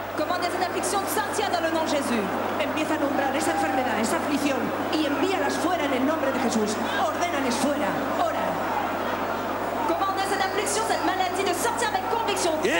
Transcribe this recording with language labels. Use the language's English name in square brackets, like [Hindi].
[French] Commandez cette affliction de sortir dans le nom de Jésus. [Spanish] Empieza a nombrar esa enfermedad, esa aflicción, y envíalas fuera en el nombre de Jesús. Ordénales fuera, ora. [French] Commandez cette affliction, cette maladie, de sortir avec conviction.